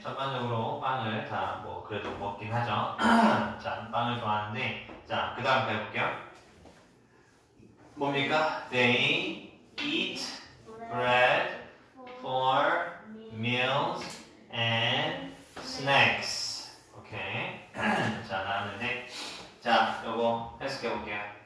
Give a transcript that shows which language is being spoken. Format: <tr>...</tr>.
<ko>전반적으로 빵을 다 뭐 그래도 먹긴 하죠. 자, 빵을 좋아하는데 자, 그 다음 배워볼게요. 뭡니까?</ko> <en>They eat bread for meals and snacks.</en> <ko>오케이. 자, 나왔는데 자, 요거 해석해볼게요.</ko>